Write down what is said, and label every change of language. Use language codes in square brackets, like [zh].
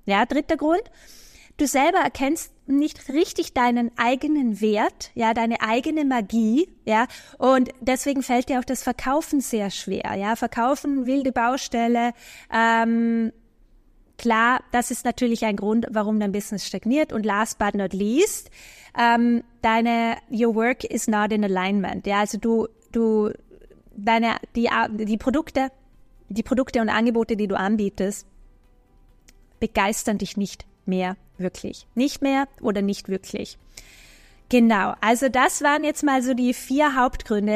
[de] Ja, dritter Grund, du selber erkennst nicht richtig deinen eigenen Wert, ja, deine eigene Magie, ja, und deswegen fällt dir auch das Verkaufen sehr schwer, ja, Verkaufen, wilde Baustelle, klar, das ist natürlich ein Grund, warum dein Business stagniert. Und [en] last but not least, your work is not in alignment. [de] Ja, also die Produkte und Angebote, die du anbietest, begeistern dich nicht mehr wirklich. Nicht mehr oder nicht wirklich. Genau, also das waren jetzt mal so die vier Hauptgründe.